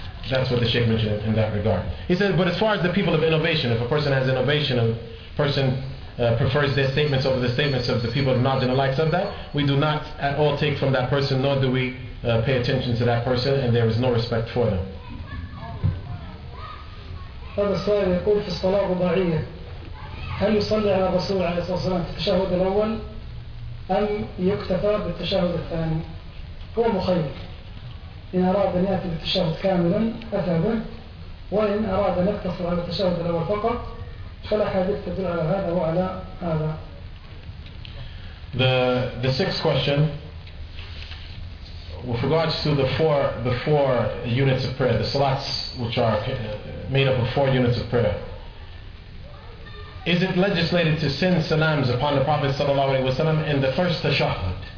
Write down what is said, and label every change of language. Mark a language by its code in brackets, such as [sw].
[en] That's what the Sheikh mentioned in that regard. He said, but as far as the people of innovation, if a person has innovation, a person prefers their statements over the statements of the people of knowledge and the likes of that, we do not at all take from that person, nor do we pay attention to that person, and there is no respect for them. [ar] هذا السؤال يقول في الصلاة الرباعية هل يصلي على الرسول عليه الصلاة والسلام في التشهد الأول أم يكتفى بالتشهد الثاني؟ هو مخير، إن أراد أن يأتي بالتشهد كاملا أتى به، وإن أراد أن يقتصر على التشهد الأول فقط فلا حديث تدل على هذا وعلى هذا. [en] The sixth question with regards to the four units of prayer, the salats, which are made up of four units of prayer. Is it legislated to send salams upon the Prophet ﷺ in the first tashahud?